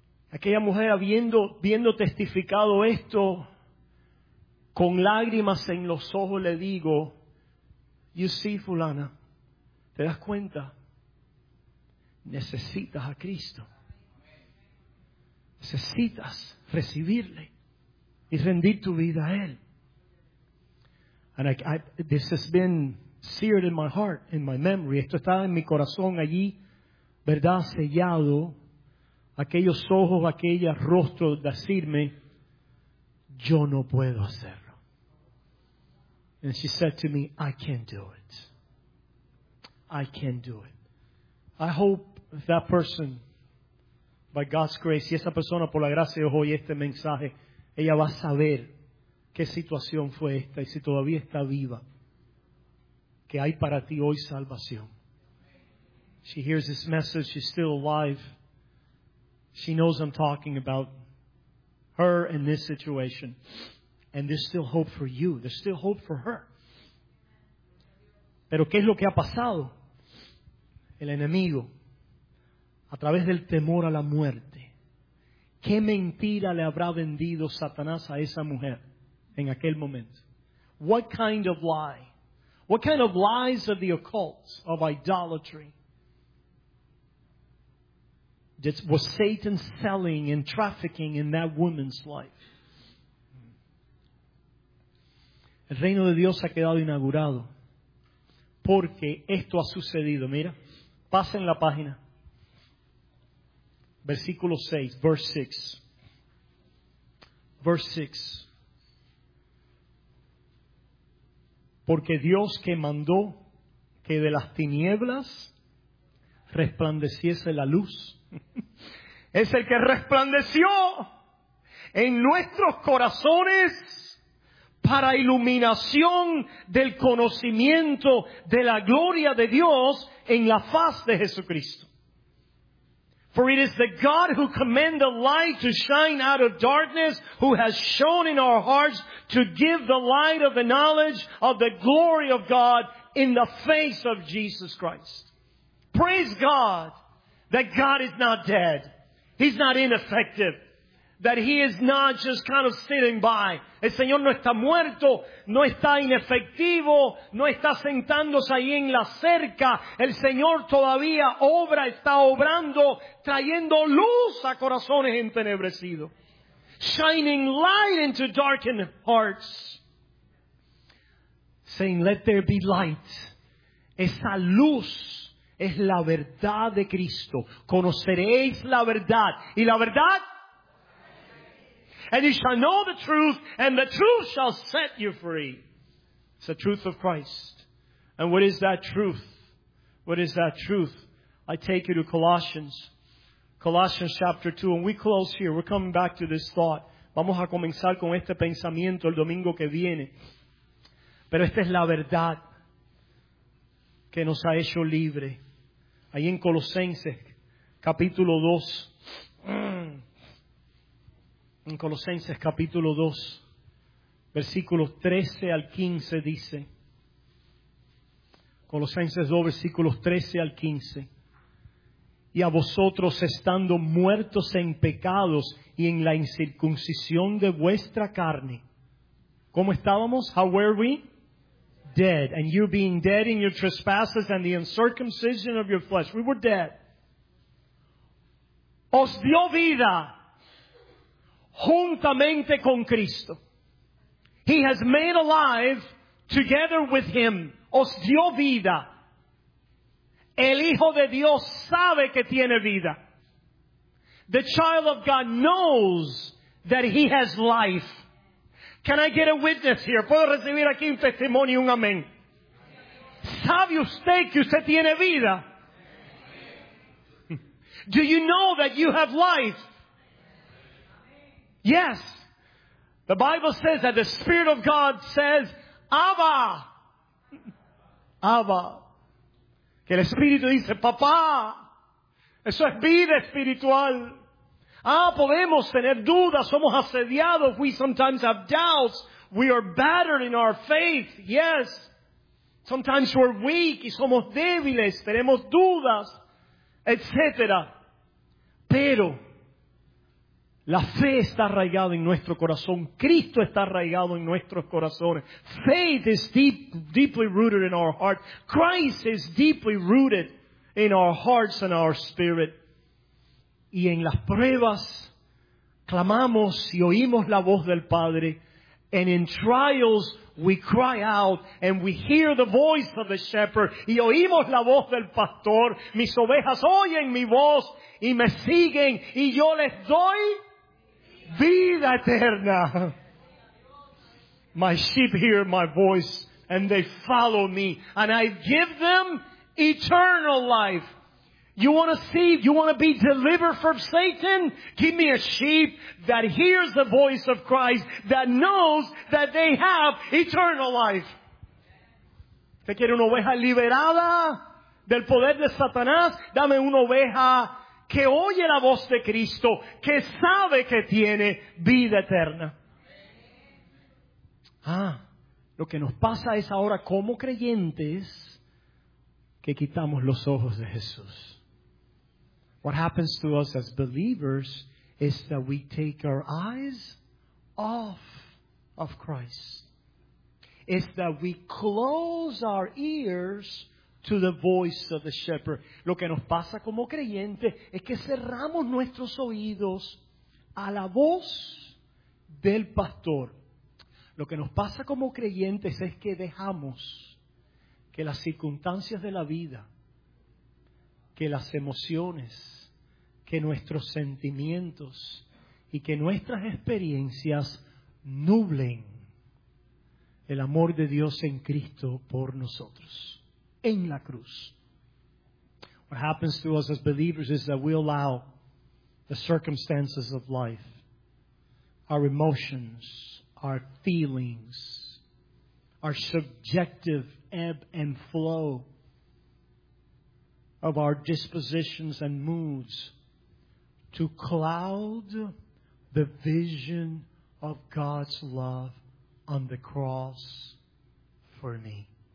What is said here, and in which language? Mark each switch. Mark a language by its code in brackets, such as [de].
[es] Aquella mujer habiendo testificado esto, con lágrimas en los ojos le digo, [en] You see, [es] fulana, te das cuenta, necesitas a Cristo. Necesitas recibirle y rendir tu vida a Él. [en] And this has been seared in my heart, in my memory. [es] Esto está en mi corazón allí, ¿verdad? Sellado. Aquellos ojos, aquellos rostros decirme, yo no puedo hacerlo. [en] And she said to me, I can't do it. I can't do it. I hope that person, by God's grace, [es] y esa persona por la gracia de Dios oye este mensaje, ella va a saber qué situación fue esta y si todavía está viva, que hay para ti hoy salvación. [en] She hears this message, she's still alive. She knows I'm talking about her in this situation. And there's still hope for you. There's still hope for her. [es] Pero ¿qué es lo que ha pasado? El enemigo, a través del temor a la muerte, ¿qué mentira le habrá vendido Satanás a esa mujer en aquel momento? [en] What kind of lie? What kind of lies of the occult, of idolatry? Was Satan selling and trafficking in that woman's life? [es] El reino de Dios ha quedado inaugurado porque esto ha sucedido. Mira, pasen la página. Versículo 6, [en] verse 6. Verse 6. [es] Porque Dios que mandó que de las tinieblas resplandeciese la luz, es el que resplandeció en nuestros corazones para iluminación del conocimiento de la gloria de Dios en la faz de Jesucristo. [en] For it is the God who commanded the light to shine out of darkness, who has shone in our hearts to give the light of the knowledge of the glory of God in the face of Jesus Christ. Praise God that God is not dead. He's not ineffective. That He is not just kind of sitting by. [es] El Señor no está muerto, no está inefectivo, no está sentándose ahí en la cerca. El Señor todavía obra, está obrando, trayendo luz a corazones entenebrecidos. [en] Shining light into darkened hearts. Saying, let there be light. [es] Esa luz es la verdad de Cristo. Conoceréis la verdad. ¿Y la verdad? [en] And you shall know the truth, and the truth shall set you free. It's the truth of Christ. And what is that truth? What is that truth? I take you to Colossians. Colossians chapter 2. And we close here. We're coming back to this thought. [es] Vamos a comenzar con este pensamiento el domingo que viene. Pero esta es la verdad que nos ha hecho libre. Ahí en Colosenses, capítulo 2. En Colosenses, capítulo 2, versículos 13 al 15 dice. Colosenses 2, versículos 13 al 15. Y a vosotros, estando muertos en pecados y en la incircuncisión de vuestra carne. ¿Cómo estábamos? [en] How were we? Dead, and you being dead in your trespasses and the uncircumcision of your flesh. We were dead. [es] Os dio vida juntamente con Cristo. [en] He has made alive together with Him. [es] Os dio vida. El Hijo de Dios sabe que tiene vida. [en] The child of God knows that he has life. Can I get a witness here? [es] ¿Puedo recibir aquí un testimonio y un amén? ¿Sabe usted que usted tiene vida? [en] Do you know that you have life? Yes. The Bible says that the Spirit of God says, Abba. [es] Abba. Que el Espíritu dice, Papá. Eso es vida espiritual. Ah, podemos tener dudas, somos asediados, [en] we sometimes have doubts, we are battered in our faith, yes. Sometimes we're weak [es] y somos débiles, tenemos dudas, etc. Pero, La fe está arraigada en nuestro corazón. Cristo está arraigado en nuestros corazones. [en] Faith is deeply rooted in our heart. Christ is deeply rooted in our hearts and our spirit. [es] Y en las pruebas clamamos y oímos la voz del Padre. [en] And in trials we cry out and we hear the voice of the shepherd. [es] Y oímos la voz del pastor. Mis ovejas oyen mi voz y me siguen y yo les doy vida eterna. [en] My sheep hear my voice and they follow me and I give them eternal life. You want to see, you want to be delivered from Satan? Give me a sheep that hears the voice of Christ, that knows that they have eternal life. [es] ¿Te quiere una oveja liberada del poder de Satanás? Dame una oveja que oye la voz de Cristo, que sabe que tiene vida eterna. Ah, lo que nos pasa es ahora como creyentes que quitamos los ojos de Jesús. [en] What happens to us as believers is that we take our eyes off of Christ. It's that we close our ears to the voice of the shepherd. [es] Lo que nos pasa como creyentes es que cerramos nuestros oídos a la voz del pastor. Lo que nos pasa como creyentes es que dejamos que las circunstancias de la vida, que las emociones, que nuestros sentimientos y que nuestras experiencias nublen el amor de Dios en Cristo por nosotros, en la cruz. [en] What happens to us as believers is that we allow the circumstances of life, our emotions, our feelings, our subjective ebb and flow of our dispositions and moods to cloud the vision of God's love on the cross for me.